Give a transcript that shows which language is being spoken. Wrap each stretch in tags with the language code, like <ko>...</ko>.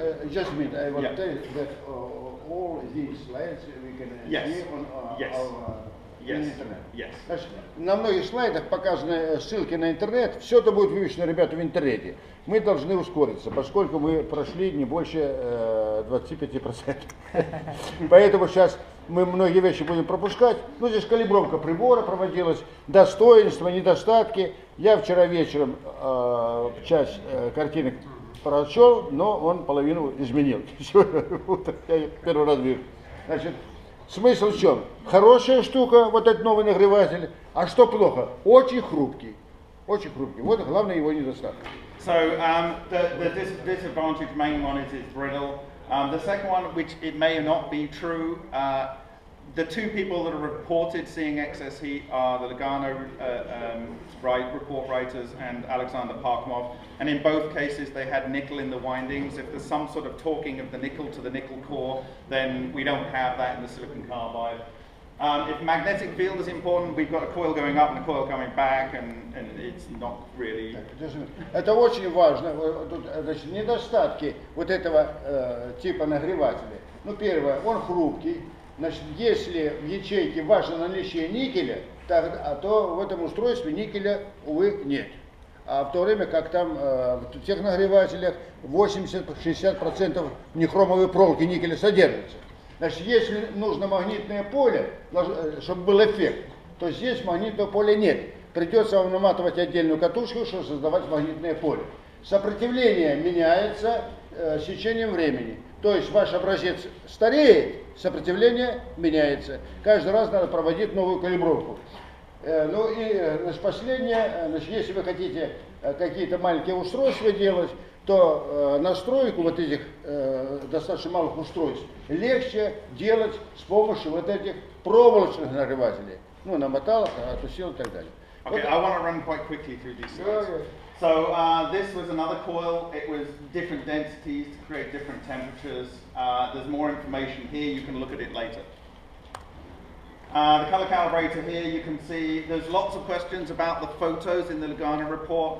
<en>Just a minute, I will tell you that all these slides we can see on Yes.</en> <ru>На многих слайдах показаны ссылки на интернет. Все это будет выучено, ребята, в интернете. Мы должны ускориться, поскольку мы прошли не больше 25%. Поэтому сейчас мы многие вещи будем пропускать. Ну, здесь калибровка прибора проводилась, достоинства, недостатки. Я вчера вечером часть картинок прочел, но он половину изменил. Сегодня утром я первый раз вижу. Значит, смысл в чем? Хорошая штука, вот этот новый нагреватель. А что плохо? Очень хрупкий. Очень хрупкий. Вот главный его недостаток.</ru> <en>So, the disadvantage main one is it's brittle. The second one, which it may not be true, the two people that are reported seeing excess heat are the Lugano report writers and Alexander Parkhomov. And in both cases, they had nickel in the windings. If there's some sort of torquing of the nickel to the nickel core, then we don't have that in the silicon carbide. If magnetic field is important, we've got a coil going up and a coil coming back, and it's not really...</en> <ru>Это очень важно. Значит, недостатки вот этого типа нагревателя. Ну, первое, он хрупкий. Значит, если в ячейке важно наличие никеля, тогда, то в этом устройстве никеля, увы, нет. А в то время, как там в тех нагревателях 80-60% нехромовой проволоки никеля содержится. Значит, если нужно магнитное поле, чтобы был эффект, то здесь магнитного поля нет. Придется вам наматывать отдельную катушку, чтобы создавать магнитное поле. Сопротивление меняется с течением времени. То есть ваш образец стареет, сопротивление меняется. Каждый раз надо проводить новую калибровку. Ну и значит, последнее, значит, если вы хотите какие-то маленькие устройства делать, то настройку вот этих достаточно малых устройств легче делать с помощью вот этих проволочных нагревателей. Ну, намотал, отпустил и так далее.</ru> <en>Okay, I want to run quite quickly through these slides. So this was another coil. It was different densities to create different temperatures. There's more information here. You can look at it later. The color calibrator here, you can see there's lots of questions about the photos in the Lugano report.</en>